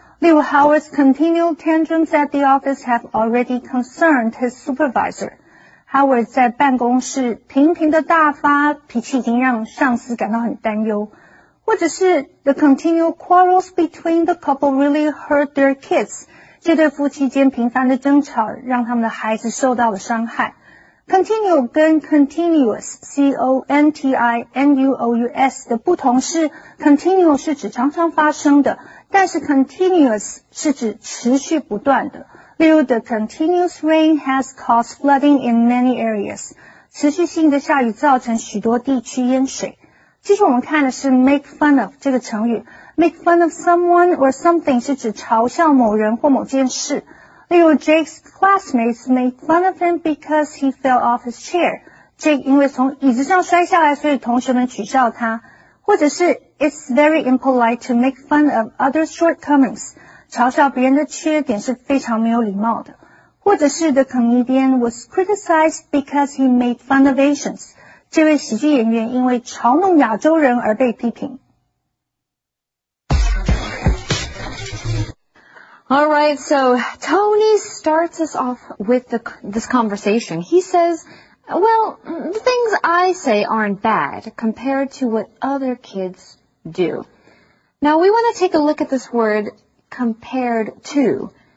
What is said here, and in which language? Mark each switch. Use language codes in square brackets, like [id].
[en] 例如 Howard's continual tantrums at the office have already concerned his supervisor. [zh] Howard 在办公室频频的大发脾气已经让上司感到很担忧。 [en] 或者是 the continual quarrels between the couple really hurt their kids. [zh] 这对夫妻间频繁的争吵让他们的孩子受到了伤害。 Continual 跟 continuous, C-O-N-T-I-N-U-O-U-S 的不同是 continual 是指常常发生的，但是 continuous 是指持续不断的。 [en] 例如 the continuous rain has caused flooding in many areas. [zh] 持续性的下雨造成许多地区淹水。继续我们看的是 make fun of 这个成语。 [en] Make fun of someone or something [zh] 是指嘲笑某人或某件事。 [en] 例如 Jake's classmates made fun of him because he fell off his chair. [zh] Jake 因为从椅子上摔下来，所以同学们取笑他。 [en] 或者是 It's very impolite to make fun of other shortcomings. [zh] 嘲笑别人的缺点是非常没有礼貌的。 [en] 或者是 The comedian was criticized because he made fun of Asians. [zh] 这位喜剧演员因为嘲弄亚洲人而被批评。 [en] All right, so Tony starts us off with this conversation. He says, well, the things I say aren't bad compared to what other kids do. Now, we want to take a look at this word compared to.